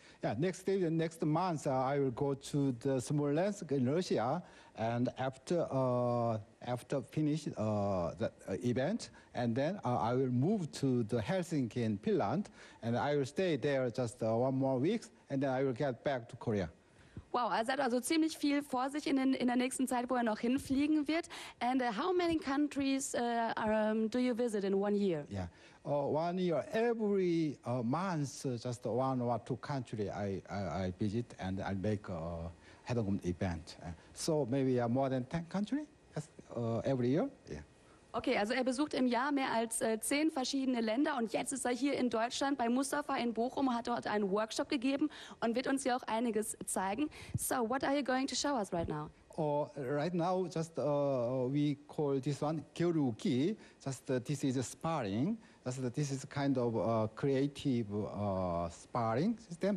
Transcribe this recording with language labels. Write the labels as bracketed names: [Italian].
[English] Yeah, next day, the next month, I will go to the Smolensk in Russia, and after finish the event, and then I will move to the Helsinki in Finland, and I will stay there just one more week, and then I will get back to Korea. [German] Wow, er hat also ziemlich viel vor sich in der nächsten Zeit, wo er noch hinfliegen wird. [English] And how many countries do you visit in one year? Yeah, one year, every month, just one or two countries I visit, and I make a Hedongum event. So maybe more than 10 countries every year, yeah. [German] Okay, also er besucht im Jahr mehr als 10 verschiedene Länder, und jetzt ist er hier in Deutschland bei Mustafa in Bochum, hat dort einen Workshop gegeben und wird uns hier auch einiges zeigen. [English] So, what are you going to show us right now? Right now, just we call this one Gyurugi. Just this is a sparring. Just this is kind of creative sparring system.